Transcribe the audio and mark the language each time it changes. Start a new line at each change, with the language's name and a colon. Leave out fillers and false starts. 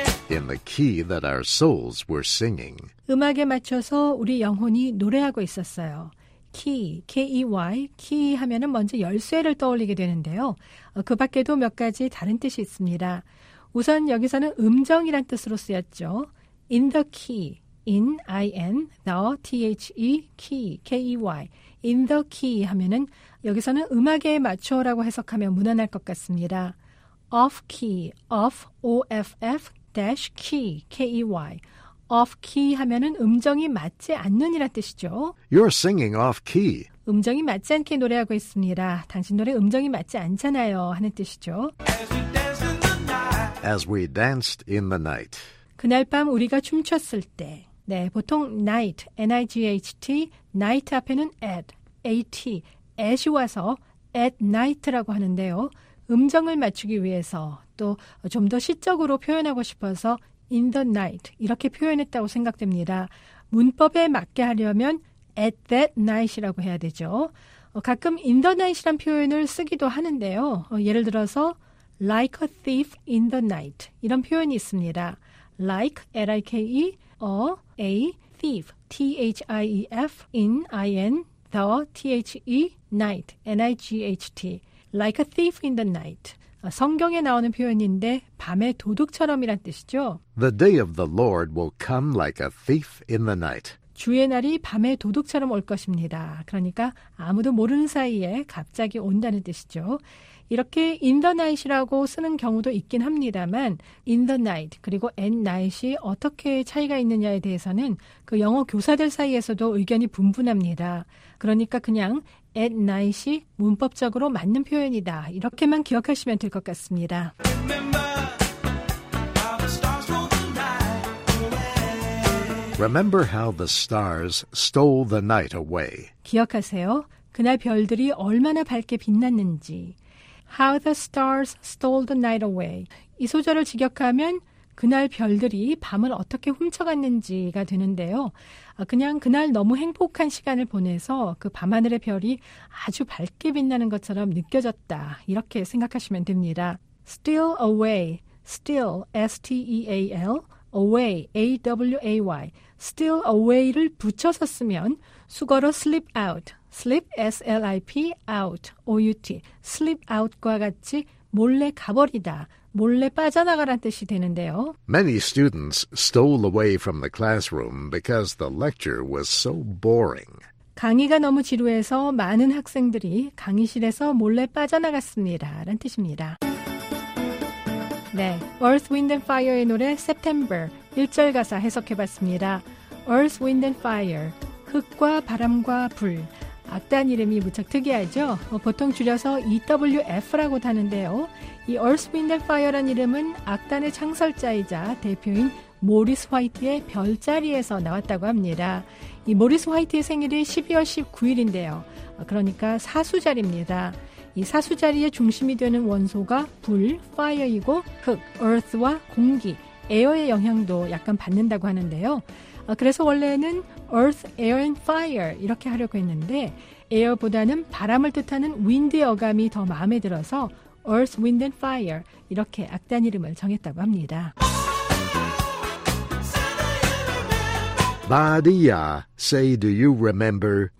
English: In the key that our souls were singing.
Korean: 음악에 맞춰서 우리 영혼이 노래하고 있었어요.
English: Key, K-E-Y, key
Korean: 하면은 먼저 열쇠를 떠올리게 되는데요. 그 밖에도 몇 가지 다른 뜻이 있습니다. 우선 여기서는 음정이란 뜻으로 쓰였죠.
English: In the key, in, I-N, the, T-H-E, key, K-E-Y. In the key
Korean: 하면은 여기서는 음악에 맞춰라고 해석하면 무난할 것 같습니다.
English: Off key, off, O-F-F, dash key, K-E-Y. Off key
Korean: 하면은 음정이 맞지 않는이란 뜻이죠.
English: You're singing off key.
Korean: 음정이 맞지 않게 노래하고 있습니다. 당신 노래 음정이 맞지 않잖아요 하는 뜻이죠.
English: As we danced in the night. As we danced in the night.
Korean: 그날 밤 우리가 춤췄을 때, 네, 보통
English: night, N-I-G-H-T, night
Korean: 앞에는
English: at, A-T, at
Korean: 이 와서
English: at night
Korean: 라고 하는데요. 음정을 맞추기 위해서 또 좀 더 시적으로 표현하고 싶어서
English: in the night
Korean: 이렇게 표현했다고 생각됩니다. 문법에 맞게 하려면
English: at that night
Korean: 이라고 해야 되죠. 가끔
English: in the night
Korean: 이란 표현을 쓰기도 하는데요. 예를 들어서
English: like a thief in the night
Korean: 이런 표현이 있습니다.
English: Like, L-I-K-E, a thief, T-H-I-E-F, in, I-N, the, T-H-E, night, N-I-G-H-T. Like a thief in the night.
Korean: 성경에 나오는 표현인데 밤에 도둑처럼이란 뜻이죠.
English: The day of the Lord will come like a thief in the night.
Korean: 주의 날이 밤에 도둑처럼 올 것입니다. 그러니까 아무도 모르는 사이에 갑자기 온다는 뜻이죠. 이렇게
English: in the night
Korean: 이라고 쓰는 경우도 있긴 합니다만 in the night 그리고
English: at night
Korean: 이 어떻게 차이가 있느냐에 대해서는 그 영어 교사들 사이에서도 의견이 분분합니다. 그러니까 그냥
English: at night
Korean: 이 문법적으로 맞는 표현이다. 이렇게만 기억하시면 될 것 같습니다.
English: Remember how the stars stole the night away.
Korean: 기억하세요. 그날 별들이 얼마나 밝게 빛났는지.
English: How the stars stole the night away.
Korean: 이 소절을 직역하면 그날 별들이 밤을 어떻게 훔쳐갔는지가 되는데요. 그냥 그날 너무 행복한 시간을 보내서 그 밤하늘의 별이 아주 밝게 빛나는 것처럼 느껴졌다. 이렇게 생각하시면 됩니다.
English: Steal away. Steal, S-T-E-A-L. Away, A-W-A-Y. Steal away
Korean: 를 붙여서 쓰면 수거로
English: slip out. Slip, S-L-I-P, out, O-U-T. Slip out
Korean: 과 같이 몰래 가버리다, 몰래 빠져나가란 뜻이 되는데요.
English: Many students stole away from the classroom because the lecture was so boring.
Korean: 강의가 너무 지루해서 많은 학생들이 강의실에서 몰래 빠져나갔습니다. 라는 뜻입니다. 네, Earth, Wind and Fire의 노래 September 1절 가사 해석해봤습니다. Earth, Wind and Fire, 흙과 바람과 불. 악단 이름이 무척 특이하죠? 보통 줄여서 EWF라고 하는데요. 이 Earth, Wind and Fire란 이름은 악단의 창설자이자 대표인 모리스 화이트의 별자리에서 나왔다고 합니다. 이 모리스 화이트의 생일이 12월 19일인데요. 그러니까 사수자리입니다. 이 사수자리의 중심이 되는 원소가 불, fire이고 흙, earth와 공기, air의 영향도 약간 받는다고 하는데요. 그래서 원래는 Earth, Air and Fire 이렇게 하려고 했는데 에어보다는 바람을 뜻하는 윈드의 어감이 더 마음에 들어서 Earth, Wind and Fire 이렇게 악단 이름을 정했다고 합니다.
English: 바디야, say do you remember?